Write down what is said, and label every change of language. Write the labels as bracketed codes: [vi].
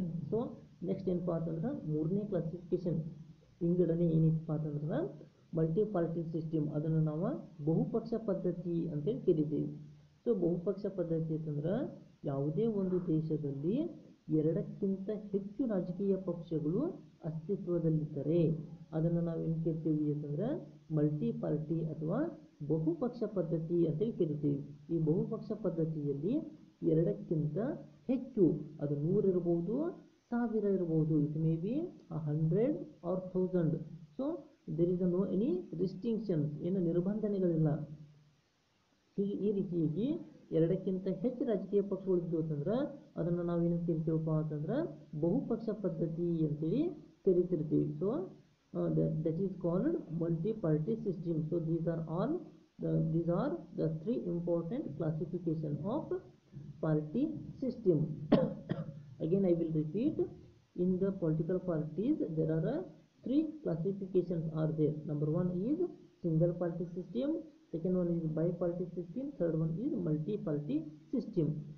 [kn] So next in part under moorne classification ingadane enith paathandra multi-party system adana nava bahupaksha paddhati ante kelidivi. So bahupaksha paddhati antandra yavude ondu deshadalli eradakkinta hechu rajakeeya pakshagalu astitvadallidare adana nava enu kelthivi antandra multi party ಅಥವಾ ಬಹುಪಕ್ಷ ಪದ್ಧತಿ ಅಂತೇಳಿ ಕರಿತೀವಿ. ಈ ಬಹುಪಕ್ಷ ಪದ್ಧತಿಯಲ್ಲಿ ಎರಡಕ್ಕಿಂತ ಹೆಚ್ಚು, ಅದು 100 ಇರ್ಬೋದು, 1000 ಇರ್ಬೋದು, [en] It may be 100 or 1000. So there is no any restrictions, [kn] ಏನು ನಿರ್ಬಂಧನೆಗಳಿಲ್ಲ. ಹೀಗೆ ಈ ರೀತಿಯಾಗಿ ಎರಡಕ್ಕಿಂತ ಹೆಚ್ಚು ರಾಜಕೀಯ ಪಕ್ಷಗಳಿದ್ದು ಅಂತಂದ್ರೆ ಅದನ್ನು ನಾವೇನು ಕರಿತೀವಪ್ಪ ಅಂತಂದ್ರೆ ಬಹುಪಕ್ಷ ಪದ್ಧತಿ ಅಂತೇಳಿ ಕರಿತಿರ್ತೀವಿ. So [en] that is called multi-party system. So these are all these are the three important classification of party system. Again, I will repeat, in the political parties, there are three classifications are there. Number one is single party system, second one is bi-party system, third one is multi-party system.